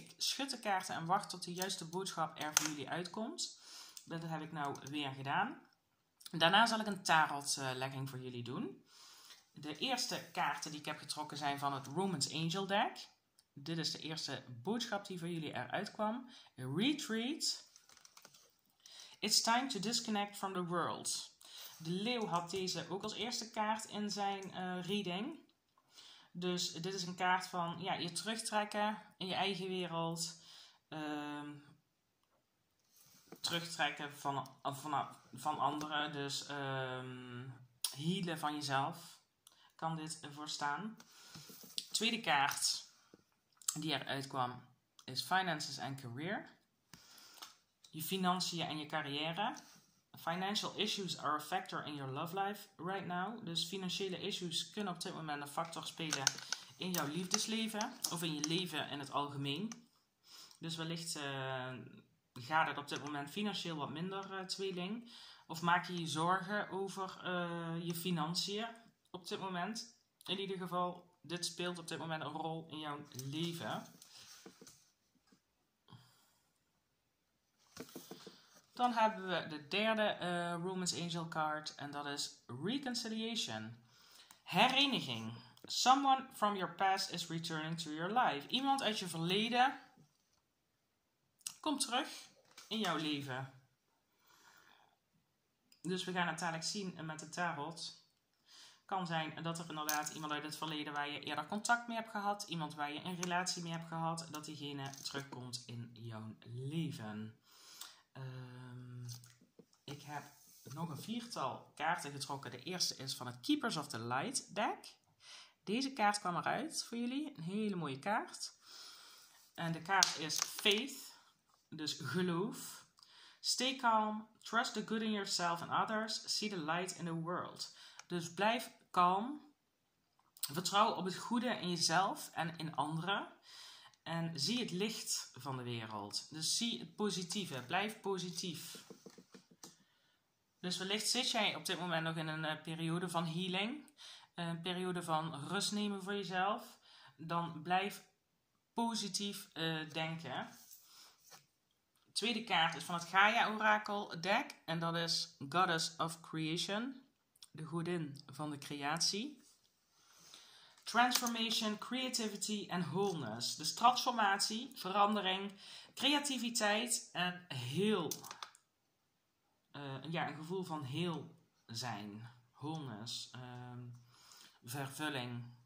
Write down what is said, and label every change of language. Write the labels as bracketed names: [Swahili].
[Dutch] Ik schud de kaarten en wacht tot de juiste boodschap er voor jullie uitkomt. Dat heb ik nou weer gedaan. Daarna zal ik een tarotlegging voor jullie doen. De eerste kaarten die ik heb getrokken zijn van het Romans Angel Deck. Dit is de eerste boodschap die voor jullie eruit kwam. [English] Retreat. It's time to disconnect from the world. [Dutch] De leeuw had deze ook als eerste kaart in zijn reading. Dus dit is een kaart van ja, je terugtrekken in je eigen wereld. Terugtrekken van anderen. Dus healen van jezelf kan dit voor staan. Tweede kaart die eruit kwam is [English] finances and career. [Dutch] Je financiën en je carrière. [English] Financial issues are a factor in your love life right now. [Dutch] Dus financiële issues kunnen op dit moment een factor spelen in jouw liefdesleven. Of in je leven in het algemeen. Dus wellicht gaat het op dit moment financieel wat minder, tweeling. Of maak je je zorgen over je financiën op dit moment. In ieder geval, dit speelt op dit moment een rol in jouw leven. Dan hebben we de derde Romans Angel card en dat is Reconciliation. Hereniging. [English] Someone from your past is returning to your life. [Dutch] Iemand uit je verleden komt terug in jouw leven. Dus we gaan het dadelijk zien met de tarot. Kan zijn dat er inderdaad iemand uit het verleden waar je eerder contact mee hebt gehad, iemand waar je een relatie mee hebt gehad, dat diegene terugkomt in jouw leven. Ik heb nog een viertal kaarten getrokken. De eerste is van het Keepers of the Light deck. Deze kaart kwam eruit voor jullie. Een hele mooie kaart. En de kaart is Faith. Dus geloof. [English] Stay calm. Trust the good in yourself and others. See the light in the world. [Dutch] Dus blijf kalm. Vertrouw op het goede in jezelf en in anderen. En zie het licht van de wereld. Dus zie het positieve. Blijf positief. Dus wellicht zit jij op dit moment nog in een periode van healing. Een periode van rust nemen voor jezelf. Dan blijf positief denken. Tweede kaart is van het Gaia Oracle deck. En dat is Goddess of Creation. De godin van de creatie. [English] Transformation, creativity and wholeness. [Dutch] Dus transformatie, verandering, creativiteit en heel. Ja, een gevoel van heel zijn, wholeness, vervulling.